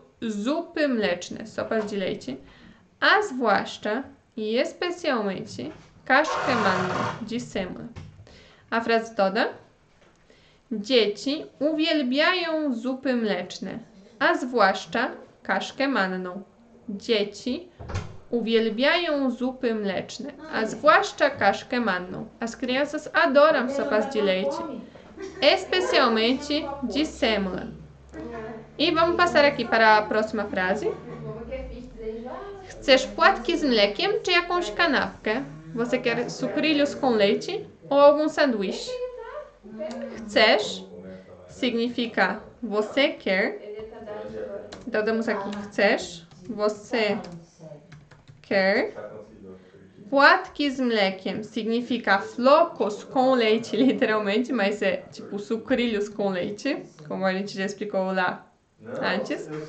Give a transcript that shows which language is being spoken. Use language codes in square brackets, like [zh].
[pl] zupy mleczne, [pt] sopa z leci, [pl] a zwłaszcza [pt] i especjalmente [pl] kaszkę manną, [pt] di semola. A frase toda? [pl] Dzieci uwielbiają zupy mleczne, a zwłaszcza kaszkę manną. Dzieci uwielbiają zupy mleczne, a zwłaszcza kaszkę manną. [pt] As crianças adoram sopas de leite, especialmente de sêmola. E vamos passar aqui para a próxima frase. [pl] Chcesz płatki z mlekiem czy jakąś kanapkę? [pt] Você quer sucrilhos com leite ou algum sanduíche? Chcesz significa você quer. Então temos aqui chcesz, você quer. [pl] Płatki z mlekiem [pt] significa flocos com leite, literalmente, mas é tipo sucrilhos com leite, como a gente já explicou lá antes.